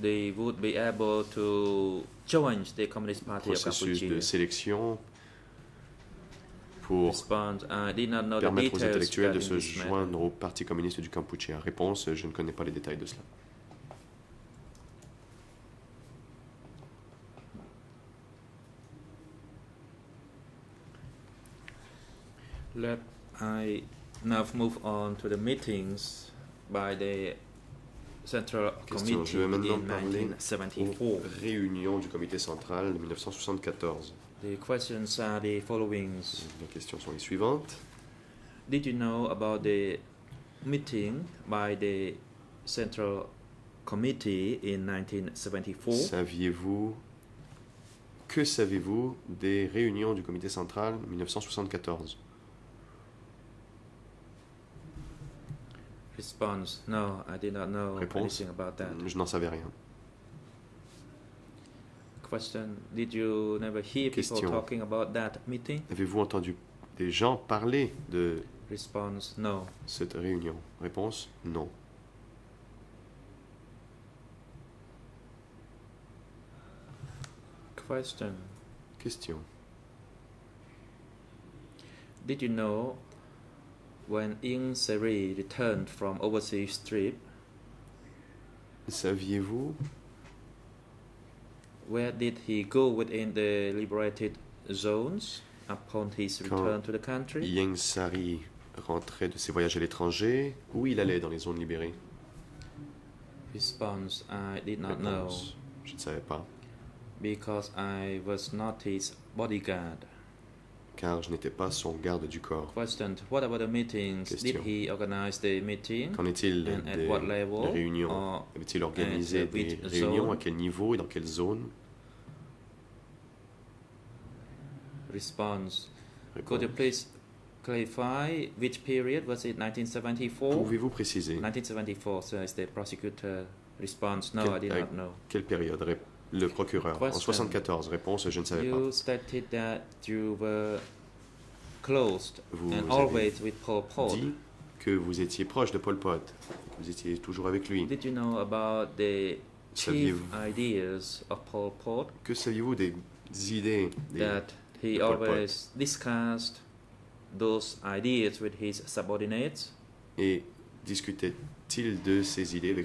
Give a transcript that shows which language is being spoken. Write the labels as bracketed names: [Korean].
[English] they would be able to join the Communist Party of Cambodia? [French] Processus de sélection pour permettre aux intellectuels de se joindre au Parti communiste du Kampuchea. Réponse, je ne connais pas les détails de cela. [English] Let I now move on to the meetings by the Central Committee [French] question, je vais maintenant [English] in 1974. [French] Parler aux réunions du comité central de 1974. [English] The questions are the following. [French] Les questions sont les suivantes. [English] Did you know about the meeting by the Central Committee in 1974? [French] Saviez-vous, que savez-vous des réunions du comité central 1974? [English] Response, no, I did not know [French] réponse, [English] anything about that. [French] Je n'en savais rien. [English] Question. Did you never hear [French] question. [English] People talking about that meeting? [French] Avez-vous entendu des gens parler de [English] response, no. [French] cette réunion? Réponse, non. [English] Question. [French] Question. [English] Did you know when Yin Sari returned from overseas trip? [French] Saviez-vous [English] where did he go within the liberated zones upon his [French] quand [English] return to the country? [French] Yang Sari rentrait de ses voyages à l'étranger, où il allait dans les zones libérées? [English] Response, I did not [French] réponse, [English] know. [French] Je ne savais pas. [English] Because I was not his bodyguard. [French] Car je n'étais pas son garde du corps. [English] Question, what about the meetings? [French] Question. [English] Did he organize the meeting? [French] Qu'en est-il and at what level? Des réunions? Avait-il organisé des réunions? À quel niveau et dans quelle zone? [English] Response. [French] Réponse. [English] Could you please clarify which period was it? 1974? [French] Pouvez-vous préciser? [English] 1974, sir, is the prosecutor. Response, no, I did not know. [French] Quelle période? Le procureur. [English] Question. [French] En 74, réponse, je ne savais [English] you Stated that you were close vous and always with Pol Pot. [French] Dit que vous étiez proche de Pol Pot. Vous étiez toujours avec lui. [English] Did you know about the chief ideas of Pol Pot? [French] Que saviez-vous des idées des [English] that he [French] de Pol Pot? [English] Always discussed those ideas with his subordinates? [French] Et discutait-il de ces idées avec